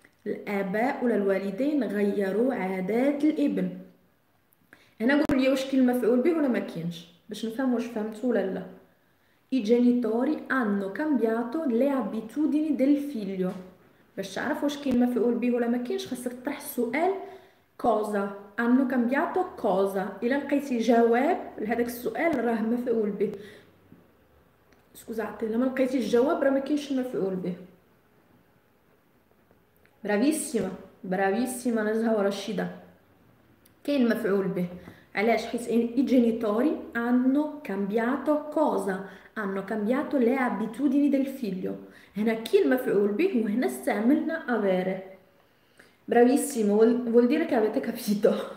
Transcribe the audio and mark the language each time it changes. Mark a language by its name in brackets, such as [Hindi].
[Arabic] الاباء ولا الوالدين غيروا عادات الابن. هنا قول لي واش كاين مفعول به ولا ما كاينش باش نفهم واش فهمت ولا لا. [Italian] I genitori hanno cambiato le abitudini del figlio. [Arabic] باش تعرف واش كاين مفعول به ولا ما كاينش خاصك تطرح السؤال [Italian] cosa، hanno cambiato cosa. [Arabic] الا لقيتي جواب لهذاك السؤال راه مفعول به. سكوزاتي، الا ما لقيتيش الجواب راه ما كاينش مفعول به. برافيسيما برافيسيما نزهه ورشيده، كاين مفعول به. علاش؟ حيت [Italian] i genitori hanno cambiato cosa، hanno cambiato le abitudini del figlio. [Arabic] هنا كاين مفعول به وهنا استعملنا avere. [Italian] برافيسيمو، vuol dire che avete capito.